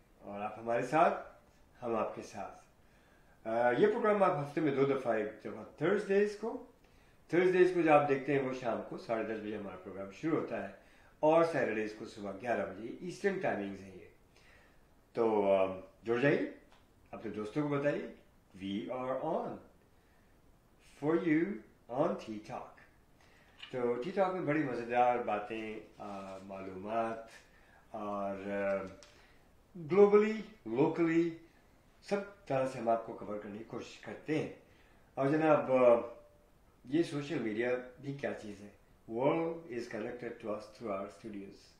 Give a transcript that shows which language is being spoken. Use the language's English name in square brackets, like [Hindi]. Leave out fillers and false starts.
[Hindi] और आप हमारे साथ, हम आपके साथ. ये प्रोग्राम आप हफ्ते में दो दफा, जब थर्सडेज को जब आप देखते हैं वो शाम को 10:30 बजे हमारा प्रोग्राम शुरू होता है और सैटरडेज को सुबह 11 बजे ईस्टर्न टाइमिंग्स है ये. तो जुड़ जाइए, अपने दोस्तों को बताइए [English] We are on for you on Tea Talk. [Hindi] तो Tea Talk में बड़ी मजेदार बातें, मालूमात और ग्लोबली लोकली सब तरह से हम आपको कवर करने की कोशिश करते हैं. और जनाब ये सोशल मीडिया भी क्या चीज है, [English] World is connected to us through our studios.